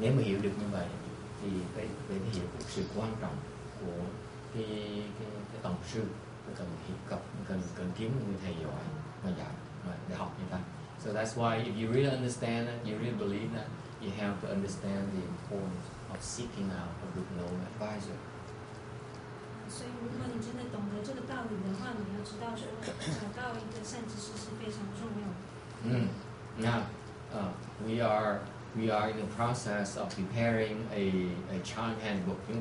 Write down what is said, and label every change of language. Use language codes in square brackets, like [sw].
[vi] nếu mà hiểu được như vậy thì phải hiểu được sự quan trọng của cái tổng sư, cần kiếm một người thầy giỏi mà dạy để học như ta. [en] So that's why if you really understand that, you really believe that, you have to understand the importance of seeking out a good known advisor. [zh] 所以如果你真的懂得这个道理的话，你要知道说找到一个善知识是非常重要的。 [en] We are in the process of preparing a chant handbook.